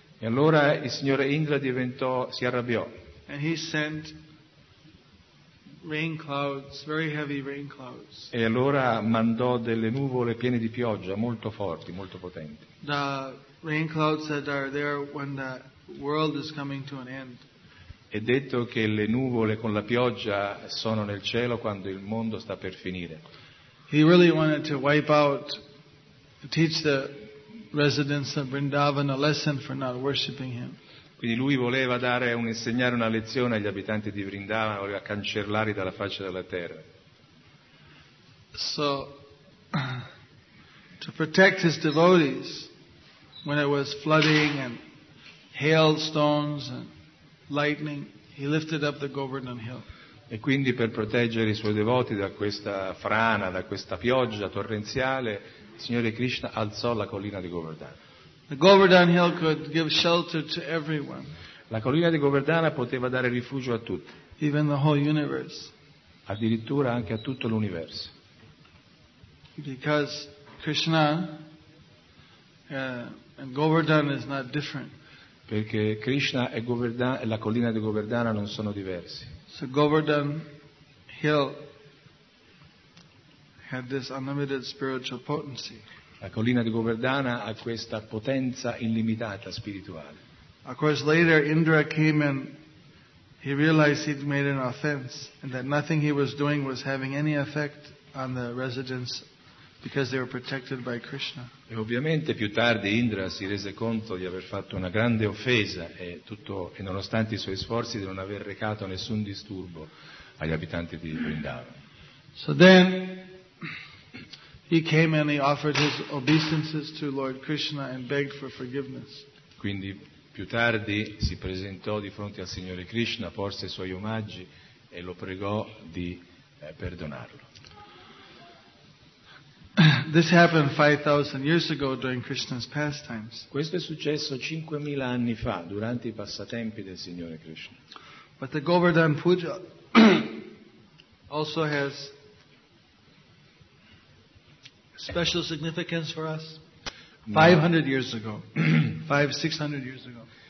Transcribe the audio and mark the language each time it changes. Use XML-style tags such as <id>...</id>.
<it>E allora il signore Indra diventò, si arrabbiò.</it> <en>And he sent rain clouds, very heavy rain clouds.</en> <it>E allora mandò delle nuvole piene di pioggia, molto forti, molto potenti.</it> <en>The rain clouds that are there when the world is coming to an end.</en> <it>È detto che le nuvole con la pioggia sono nel cielo quando il mondo sta per finire.</it> <en>He really wanted to wipe out, teach the residents of Vrindavan a lesson for not worshiping him.</en> <it>Quindi lui voleva dare un, insegnare una lezione agli abitanti di Vrindavan, voleva cancellarli dalla faccia della terra.</it> <en>So, to protect his devotees, when it was flooding and hailstones and lightning, he lifted up the Govardhan Hill.</en> <it>E quindi per proteggere i suoi devoti da questa frana, da questa pioggia torrenziale, il Signore Krishna alzò la collina di Govardhan.</it> <en>The Govardhan Hill could give shelter to everyone.</en> <it>La collina di Govardhana poteva dare rifugio a tutti.</it> <en>Even the whole universe.</en> <it>Addirittura anche a tutto l'universo.</it> <en>Because Krishna and Govardhan is not different.</en> <it>Perché Krishna e Govardhan e la collina di Govardhana non sono diversi.</it> <en>So Govardhan Hill had this unlimited spiritual potency.</en> <it>La collina di Govardhana ha questa potenza illimitata spirituale.</it> <en>Of course, later Indra came and he realized he'd made an offense and that nothing he was doing was having any effect on the residents because they were protected by Krishna.</en> <it>E ovviamente più tardi Indra si rese conto di aver fatto una grande offesa e tutto, e nonostante i suoi sforzi di non aver recato nessun disturbo agli abitanti di Vrindavan.</it> <en>So then he came and he offered his obeisances to Lord Krishna and begged for forgiveness.</en> <it>Quindi più tardi si presentò di fronte al Signore Krishna, porse i suoi omaggi e lo pregò di perdonarlo.</it> <en>This happened 5,000 years ago during Krishna's pastimes.</en> <it>Questo è successo 5,000 anni fa durante i passatempi del Signore Krishna.</it> <en>But the Govardhan Puja also has special significance for us 500 years ago, 500-600 years ago.</en>